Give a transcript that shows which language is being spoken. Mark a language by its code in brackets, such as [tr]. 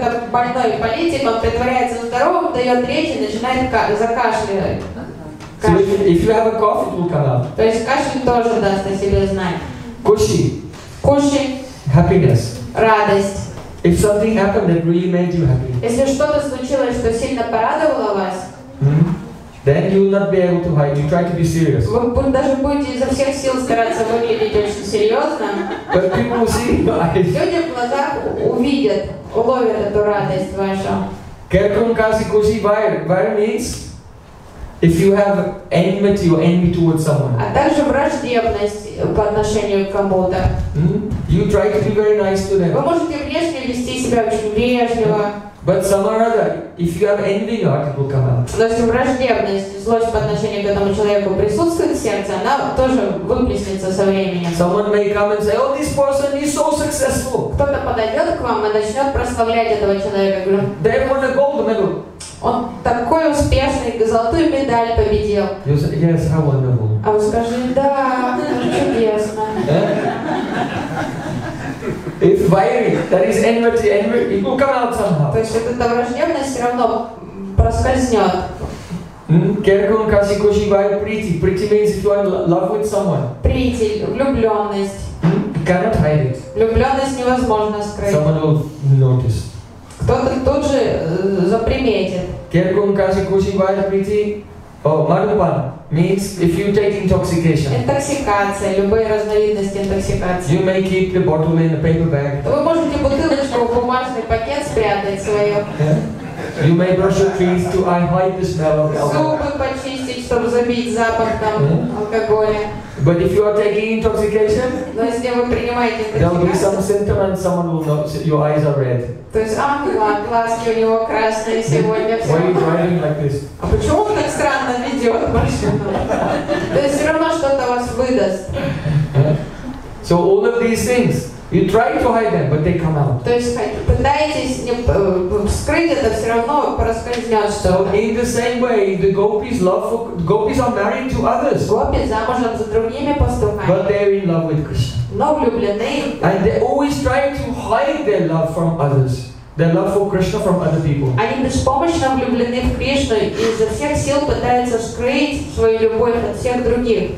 [ru] какой-то больной политик, он притворяется здоровым, дает речь и начинает закашливать. [en] So if you have a cough, it will come out. [ru] То есть кашель тоже даст о себе знать. [hi] Куши. Куши. [en] Happiness. [ru] Радость. [en] If something happened that really made you happy, [ru] если что-то случилось, что сильно порадовало вас, [en] then you will not be able to hide. You try to be serious. [ru] Вы даже будете изо всех сил стараться выглядеть очень серьезно. [en] But people will see your eyes. [ru] Люди в глазах увидят, уловят эту радость вашу. [hi] Керкун каси куси вайр. [en] Вайр means if you have enmity or envy towards someone. [ru] А также враждебность по отношению к кому-то. [en] You try to be very nice to them. [ru] Вы можете внешне вести себя очень вежливо. [en] But somehow or other, if you have envy, your heart will come out. [ru] Но если враждебность, злость по отношению к этому человеку присутствует в сердце, она тоже выплеснется со временем. [en] Someone may come and say, "Oh, this person is so successful." [ru] Кто-то подойдет к вам и начнет прославлять этого человека. [en] They won a gold medal. [ru] Он такой успешный, золотую медаль победил. [en] You say, "Yes, how wonderful." [ru] А вы скажете, да, чудесно. [en] If fire, that is enmity, enmity, it will come out somehow. [ru] То есть эта враждебность все равно проскользнет. [hi] Kerkun kasi kushi by pretty. [en] Pretty means if you are in love with someone. [ru] Pretty, влюбленность. [en] Cannot hide it. [ru] Влюбленность невозможно скрыть. [en] Someone will notice. [ru] Кто-то тут же заприметит. [hi] Kerkun kasi kushi by pretty. [en] Oh, madhupan means if you take intoxication. [ru] Интоксикация, любые разновидности интоксикации. [en] You may keep the bottle in a paper bag. [ru] Вы можете бутылочку в бумажный пакет спрятать свое. Yeah. [en] You may brush your teeth to hide the smell of alcohol. [ru] Зубы почистить, чтобы забить запах там алкоголя. [en] But if you are taking intoxication, [ru] но если вы принимаете интоксикацию, [en] there will be some symptom and someone will notice your eyes are red. [ru] То есть, глазки у него красные сегодня. [en] Why are you driving like this? [ru] А почему он так странно ведет машину? То есть, все равно что-то вас выдаст. [en] So all of these things, you try to hide them, but they come out. [ru] То есть, пытаетесь скрыть это, все равно проскользнет что-то. [en] So in the same way, the gopis love for, gopis are married to others. [ru] Гопи замужем за другими пастухами. [en] But they're in love with Krishna. [ru] Но влюблены. [en] And they always try to hide their love from others. Their love for Krishna from other people. [ru] Они беспомощно влюблены в Кришну и изо всех сил пытаются скрыть свою любовь от всех других.